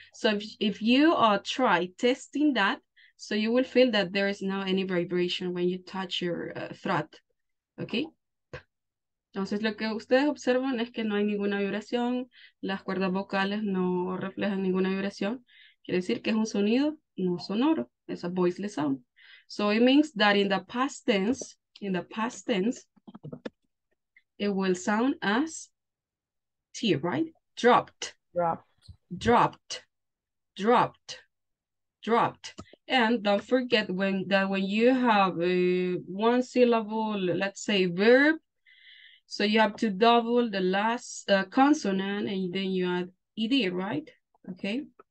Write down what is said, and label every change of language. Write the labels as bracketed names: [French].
[English] So if you try testing that, so you will feel that there is no any vibration when you touch your throat, okay? P. [Spanish] Entonces, lo que ustedes observan es que no hay ninguna vibración, las cuerdas vocales no reflejan ninguna vibración. Quiere decir que es un sonido no sonoro. [English] It's a voiceless sound. So it means that in the past tense, it will sound as T, right? Dropped. And don't forget when you have a one syllable, let's say verb, so you have to double the last consonant and then you add ED, right? Okay.